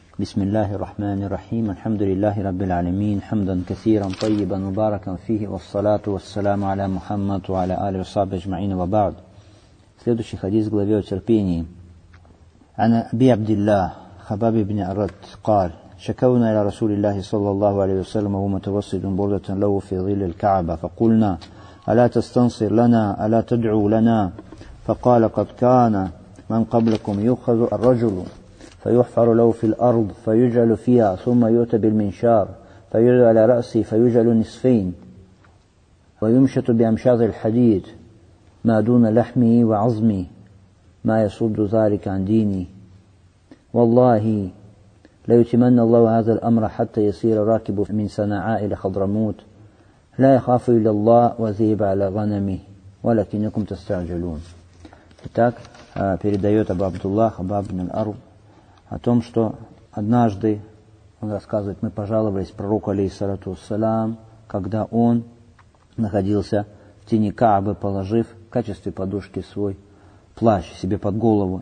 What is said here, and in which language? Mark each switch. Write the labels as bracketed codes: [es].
[ar] بسم الله الرحمن الرحيم الحمد لله رب العالمين حمدا كثيرا طيبا مباركا فيه والصلاة والسلام على محمد وعلى آله وصحبه أجمعين وبعد. [ru] Следующий хадис главе о терпении. [ar] عن أبي عبد الله خباب بن أرد قال شكونا إلى رسول الله صلى الله عليه وسلم وهو متوسد بردة له في ظل الكعبة فقلنا ألا تستنصر لنا ألا تدعو لنا فقال قد كان من قبلكم يؤخذ الرجل فيحفر له في الأرض فيجعل فيها ثم يؤتى بالمنشار فيجعل على رأسه فيجعل نصفين ويمشط بأمشاط الحديد ما دون لحمه وعظمه ما يصد ذلك عن ديني والله ليتمنى الله هذا الأمر حتى يصير راكب من صنعاء إلى حضرموت لا يخاف إلا الله وذيب على غنمه ولكنكم تستعجلون. [ru] Итак, передает Абу Абдуллах Хабаб ибн ар-Рад о том, что однажды, он рассказывает, мы пожаловались пророку, алейхиссалату вассалям, когда он находился в тени Каабы, положив в качестве подушки свой плащ себе под голову.